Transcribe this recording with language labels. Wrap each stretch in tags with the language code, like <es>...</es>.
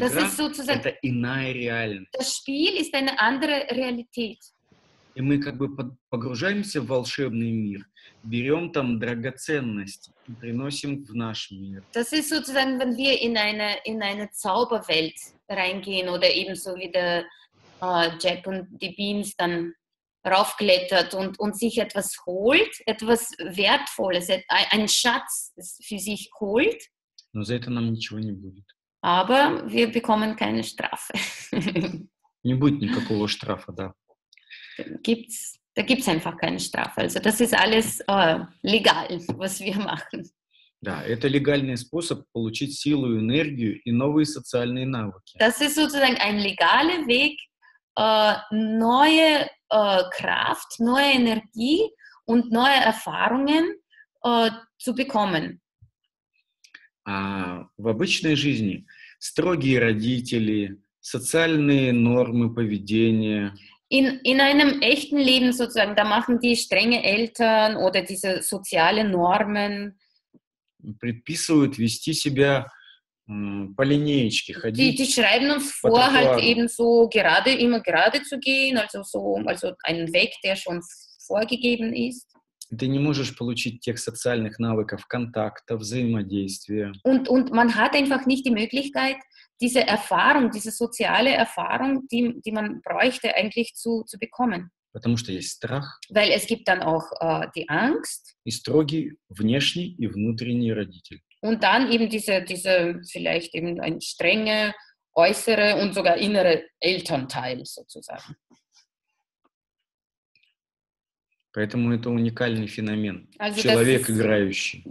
<ru>Игра это иная реальность.</ru> <de>Das Spiel ist eine andere Realität.</de> <ru>И мы как бы погружаемся в волшебный мир, берем там драгоценность и приносим в наш мир.</ru> <de>Das ist sozusagen, wenn wir in eine Zauberwelt reingehen oder ebenso wie der Jack und die Beans dann raufklettert und sich etwas holt, etwas Wertvolles, einen Schatz für sich holt.</de> <ru>Но за это нам ничего не будет.</ru> <de>Aber wir bekommen keine Strafe.</de> <ru>Не будет никакого штрафа, да.</ru> <de>Da gibt's einfach keine Strafe. Also das ist alles legal, was wir machen.</de> <ru>Да, это легальный способ получить силу, энергию и новые социальные навыки.</ru> <de>Das ist sozusagen ein legaler Weg, neue Kraft, neue Energie und neue Erfahrungen zu bekommen.</de> <ru>В обычной жизни строгие родители, социальные нормы поведения.</ru> <de>In einem echten Leben sozusagen, da machen die strenge Eltern oder diese sozialen Normen.</de> <ru>Предписывают вести себя по линеечке ходить.</ru> <de>Die schreiben uns vor, halt eben so gerade, immer gerade zu gehen, also einen Weg, der schon vorgegeben ist.</de> <ru>Ты не можешь получить тех социальных навыков контакта, взаимодействия.</ru> <de>Und man hat einfach nicht die Möglichkeit, diese Erfahrung, diese soziale Erfahrung, die man bräuchte, eigentlich zu bekommen.</de> <ru>Потому что есть страх.</ru> <de>Weil es gibt dann auch die Angst.</de> <ru>И строгий внешний и внутренний родитель.</ru> <de>Und dann eben diese vielleicht eben ein strenge äußere und sogar innere Elternteil sozusagen.</de> <ru>Поэтому это уникальный феномен. Also человек играющий.</ru>